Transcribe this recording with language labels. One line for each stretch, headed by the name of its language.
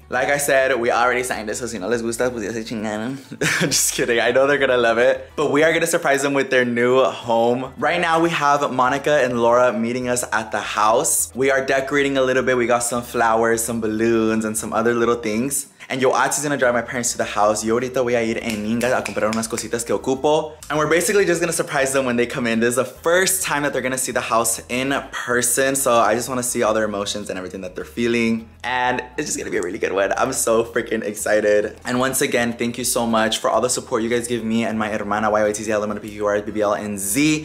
English: Like I said, we already signed it, so
Spanish: si no les gusta, pues ya se chingan.
English: Just kidding, I know they're gonna love it. But we are gonna surprise them with their new home. Right now we have Monica and Laura meeting us at the house. We are decorating a little bit, we got some flowers, some balloons, and some other little things. And Yoatsi is gonna drive my parents to the house.
Spanish: Yo ahorita voy a ir en Inga a comprar unas cositas que ocupo.
English: And we're basically just gonna surprise them when they come in. This is the first time that they're gonna see the house in person. So I just wanna see all their emotions and everything that they're feeling. And it's just gonna be a really good one. I'm so freaking excited. And once again, thank you so much for all the support you guys give me and my hermana, YYTZLMNPQRBBLNZ.